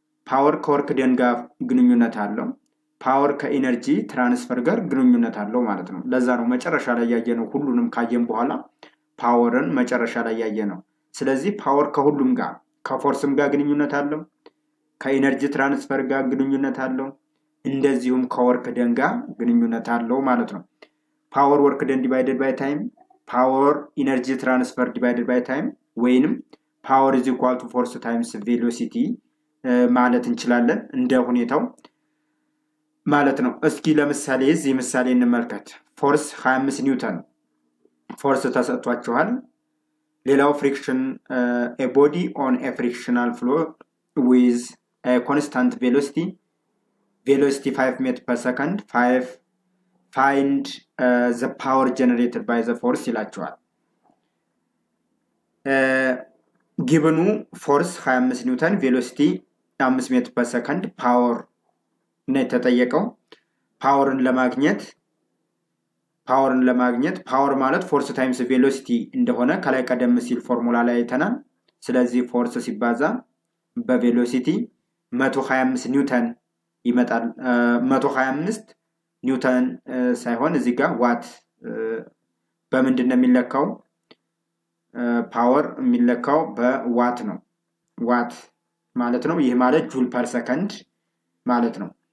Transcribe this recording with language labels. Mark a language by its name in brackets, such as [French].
[Amharic] Power ከorque ደን ጋር ግንኙነት አለው. Power ከenergy transfer ጋር ግንኙነት አለው ማለት ነው. ለዛ ነው መጨረሻ ላይ ያየነው ሁሉንም ካየን በኋላ powerን መጨረሻ ላይ ያየነው. ስለዚህ power ከሁሉም ጋር ከforceም ጋር ግንኙነት አለው. ከenergy transfer ጋር ግንኙነት አለው. እንደዚሁም ከorque ደን ጋር ግንኙነት አለው ማለት ነው. [English] Power work done divided by time, power energy transfer divided by time. When power is equal to force times velocity, [Amharic] ማለት እንችላለን እንደ ሁኔታው ማለት ነው. እስኪ ለምሳሌ እዚህ ምሳሌ እንመልከት. Force 25 ኒውተን force ተሰጥቷችኋል. ሌላው [English] friction, a body on a frictional flow with a constant velocity, velocity 5 meters per second, find the power generated by the force [Amharic] ይላችኋል. [English] Given force 25 newton, velocity 5 meters per second, power net [Amharic] ተጠየቀው. [English] Power in the magnet, power in the magnet, power ማለት force times velocity [Amharic] እንደሆነ ከላይ ቀደም ሲል ፎርሙላ ላይ አይተናል. ስለዚህ force ሲባዛ በvelocity 125 newton ይመጣል. 125 newton ሳይሆን እዚህ ጋር watt በምንድን ነው የሚለካው? ፓወር የሚለካው በዋት ነው. ዋት ማለት ነው ይሄ ማለት ጁል ፐር ሰከንድ ማለት ነው.